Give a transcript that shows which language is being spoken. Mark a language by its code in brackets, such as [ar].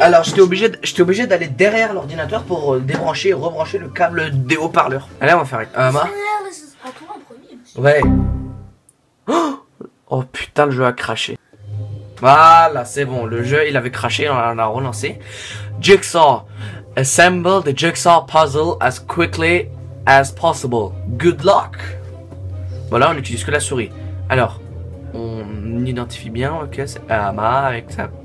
[fr] Alors, j'étais obligé d'aller derrière l'ordinateur pour débrancher et rebrancher le câble des haut-parleurs. Allez, on va faire avec. Ça a l'air de se retrouver en premier. Ouais. Oh, putain, le jeu a crashé. Voilà, c'est bon, le jeu il avait crashé, on a relancé. [en] Jigsaw, assemble the jigsaw puzzle as quickly as possible. Good luck. [fr] Voilà, on utilise que la souris. Alors, on identifie bien, ok, c'est Emma avec sa.